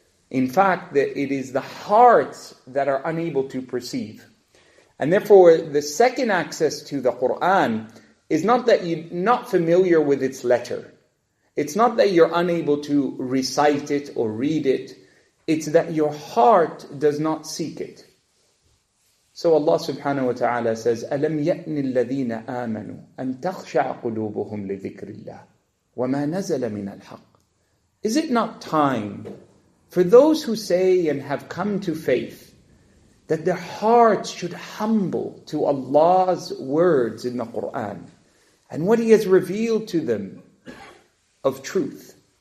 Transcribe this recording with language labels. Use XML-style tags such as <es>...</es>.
<en>In fact, it is the hearts that are unable to perceive. And therefore, the second access to the Qur'an is not that you're not familiar with its letter. It's not that you're unable to recite it or read it. It's that your heart does not seek it. So Allah subhanahu wa ta'ala says,</en> <ar>أَلَمْ يَأْنِ الَّذِينَ آمَنُوا أَن تَخْشَعَ قُلُوبُهُمْ لِذِكْرِ اللَّهِ وَمَا نَزَلَ مِنَ الْحَقِّ.</ar> <en>Is it not time for those who say and have come to faith that their hearts should humble to Allah's words in the Qur'an and what He has revealed to them of truth?</en>